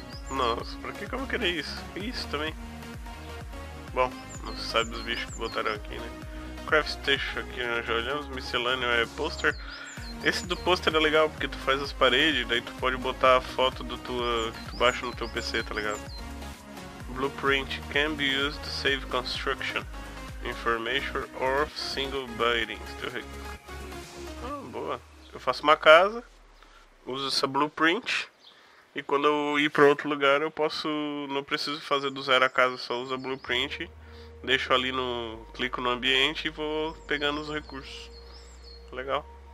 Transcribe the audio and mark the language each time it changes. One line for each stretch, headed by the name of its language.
Portuguese: Nossa, pra que eu vou querer isso? Isso também. Bom, não se sabe os bichos que botaram aqui, né? Craft Station aqui, nós já olhamos. Miscelâneo é poster. Esse do poster é legal porque tu faz as paredes, daí tu pode botar a foto do tua, que tu baixa no teu PC, tá ligado?
English: Blueprint can be used to save construction information or single buildings.
Portuguese: Ah, boa. Eu faço uma casa, uso essa blueprint e quando eu ir para outro lugar eu posso, não preciso fazer do zero a casa, só uso a blueprint, deixo ali no, clico no ambiente e vou pegando os recursos. Legal.